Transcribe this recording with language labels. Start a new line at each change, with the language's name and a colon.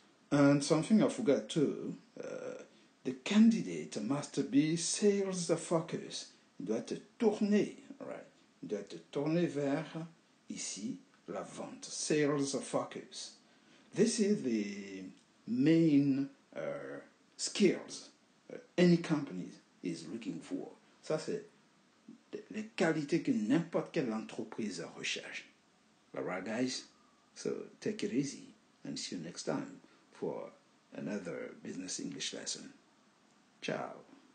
English: And something I forgot too, the candidate must be sales focused.
French: Il doit être tourné, right? Il doit être tourné vers ici la vente.
English: Sales focused. This is the main skills any company is looking for.
French: Ça c'est les qualités que n'importe quelle entreprise recherche.
English: Alright, guys. So take it easy and see you next time for another business English lesson. Ciao.